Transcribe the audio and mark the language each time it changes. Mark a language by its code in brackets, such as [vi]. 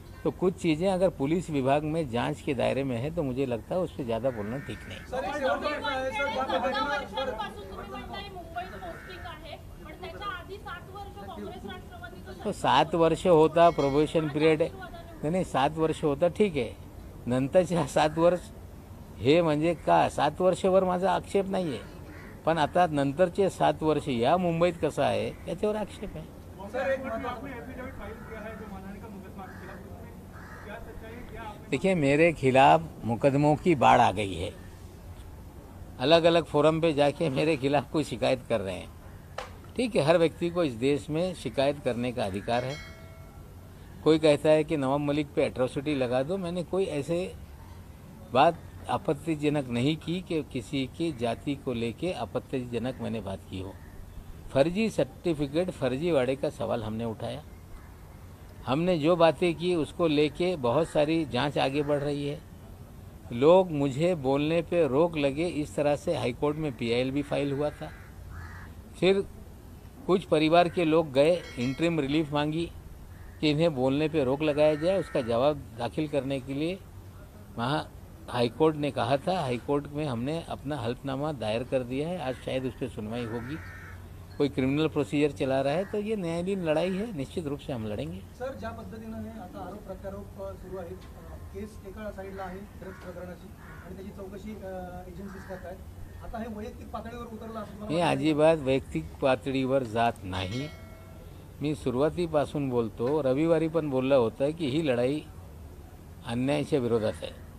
[hi] तो कुछ चीज़ें अगर पुलिस विभाग में जांच के दायरे में है तो मुझे लगता है उस पर ज़्यादा बोलना ठीक नहीं. तो 7 वर्ष होता प्रोबेशन पीरियड है. नहीं, 7 वर्ष होता ठीक है, [mr] नंतरच्या 7 वर्ष हे म्हणजे का, 7 वर्षावर माझा आक्षेप नाही आहे, पण आता नंतरचे 7 वर्ष या मुंबईत कसं आहे याच्यावर आक्षेप आहे. [hi] देखिए, मेरे खिलाफ मुकदमों की बाढ़ आ गई है, अलग अलग फोरम पे जाके मेरे खिलाफ कोई शिकायत कर रहे हैं. ठीक है, हर व्यक्ति को इस देश में शिकायत करने का अधिकार है, कोई कहता है कि नवाब मलिक पे एट्रोसिटी लगा दो, मैंने कोई ऐसे बात आपत्तिजनक नहीं की कि किसी की जाति को लेके आपत्तिजनक मैंने बात की हो। फर्जी सर्टिफिकेट फर्जीवाड़े का सवाल हमने उठाया, हमने जो बातें की उसको लेके बहुत सारी जांच आगे बढ़ रही है। लोग मुझे बोलने पे रोक लगे, इस तरह से हाईकोर्ट में पीआईएल भी फाइल हुआ था। फिर कुछ परिवार के लोग गए, इंटरिम रिलीफ मांगी कि इन्हें बोलने पे रोक लगाया जाए, उसका जवाब दाखिल करने के लिए वहाँ हाईकोर्ट ने कहा था। हाईकोर्ट में हमने अपना हलफनामा दायर कर दिया है, आज शायद उस पर सुनवाई होगी। कोई क्रिमिनल प्रोसीजर चला रहा है तो ये न्यायालयीन लड़ाई है, निश्चित रूप से हम लड़ेंगे। [mr] सर, ज्या पद्धतीने ने आता आरोप प्रत्यारोप सुरू आहे, केस एका साइडला आहे ड्रग्स प्रकरणाची आणि त्याची चौकशी एजन्सीज करत आहेत, आता हे वैयक्तिक पातळीवर उतरला असं मला वाटतं। ही अजिबात वैयक्तिक पातळीवर जात नाही, मी सुरुवातीपासून बोलतो, रविवारी पण बोललं होतं की ही लढाई अन्यायाच्या विरोधात आहे।